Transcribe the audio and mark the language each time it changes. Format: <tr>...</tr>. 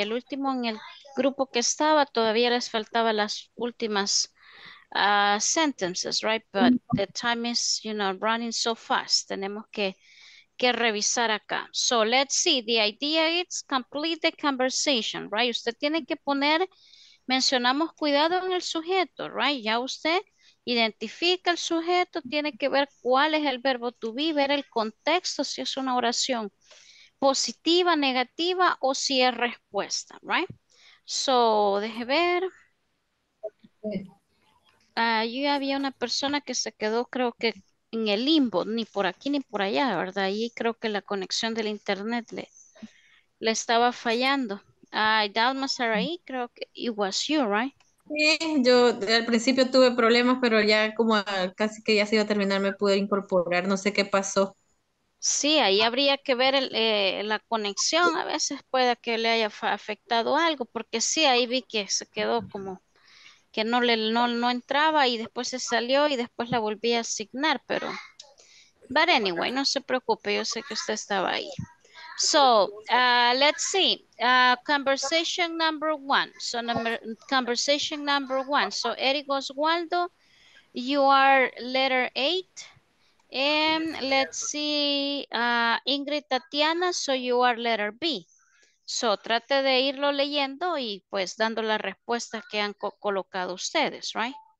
<es>El último en el grupo que estaba, todavía les faltaba las últimas sentences, right?</es> <en>But the time is, you know, running so fast.</en> <es>Tenemos que revisar acá.</es> <en>So let's see, the idea is complete the conversation, right?</en> <es>Usted tiene que poner, mencionamos cuidado en el sujeto, right? Ya usted identifica el sujeto, tiene que ver cuál es el verbo to be, ver el contexto, si es una oración positiva, negativa o si es respuesta, right? So, deje ver. Allí había una persona que se quedó, creo que en el limbo, ni por aquí ni por allá, ¿verdad? Ahí creo que la conexión del internet le estaba fallando.</es> <en>Dalma Sarai,</en> <es>creo que</es> <en>it was you, right?</en> <es>Sí, yo al principio tuve problemas, pero ya como casi que ya se iba a terminar, me pude incorporar, no sé qué pasó. Sí, ahí habría que ver la conexión, a veces pueda que le haya afectado algo, porque sí, ahí vi que se quedó como que no entraba y después se salió y después la volví a asignar, pero...</es> <en>But anyway,</en> <es>no se preocupe, yo sé que usted estaba ahí.</es> <en>So, let's see, conversation number one. So, conversation number one. So, Eric Oswaldo, you are letter eight. And let's see, Ingrid Tatiana, so you are letter B.</en> <es>So, trate de irlo leyendo y pues dando las respuestas que han colocado ustedes, right?</es>